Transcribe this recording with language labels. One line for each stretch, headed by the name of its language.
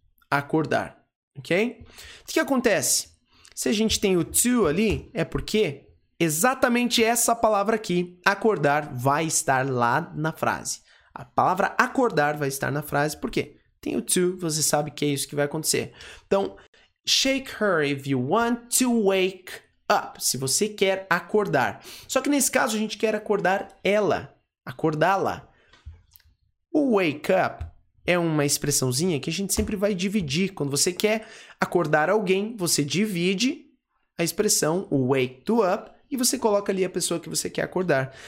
Portuguese: Acordar, ok? O que acontece? Se a gente tem o to ali, é porque exatamente essa palavra aqui, acordar, vai estar lá na frase. A palavra acordar vai estar na frase, por quê? Tem o to, você sabe que é isso que vai acontecer.
English: Então, shake her if you want to wake up.
Portuguese: Se você quer acordar. Só que nesse caso, a gente quer acordar ela. Acordá-la. O wake up é uma expressãozinha que a gente sempre vai dividir. Quando você quer acordar alguém, você divide a expressão o wake to up. E você coloca ali a pessoa que você quer acordar.